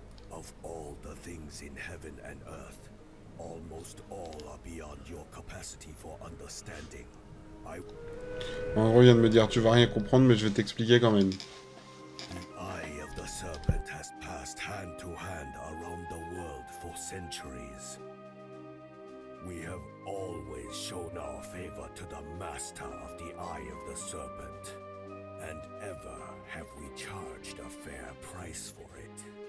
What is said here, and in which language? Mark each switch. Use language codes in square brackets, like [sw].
[en] Of all the things in heaven and earth, almost all are beyond your capacity for understanding. [fr] En gros, il vient de me dire tu vas rien comprendre, mais je vais t'expliquer quand même. [en] The eye of the serpent has passed hand to hand around the world for centuries. We have always shown our favor to the master of the eye of the serpent. And ever have we charged a fair price for it.